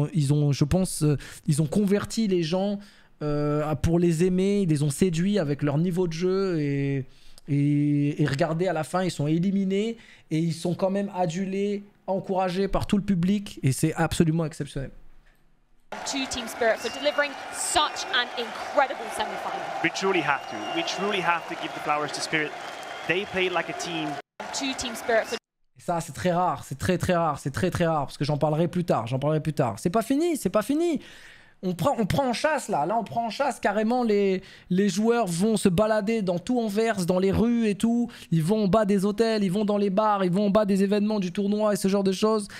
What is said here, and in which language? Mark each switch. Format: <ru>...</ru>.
<fr>Ils ont converti les gens. Pour les aimer, ils les ont séduits avec leur niveau de jeu et regardez, à la fin ils sont éliminés et ils sont quand même adulés, encouragés par tout le public et c'est absolument exceptionnel.</fr> <en>To Team Spirit for delivering such an incredible semi-final. We truly have to give the flowers to Spirit. They played like a team. To Team Spirit for...</en> <fr>Ça, c'est très rare, c'est très très rare, c'est très très rare parce que j'en parlerai plus tard. C'est pas fini. On prend en chasse là. Là, on prend en chasse carrément. Les joueurs vont se balader dans tout Anvers, dans les rues et tout. Ils vont en bas des hôtels, ils vont dans les bars, ils vont en bas des événements du tournoi et ce genre de choses.</fr>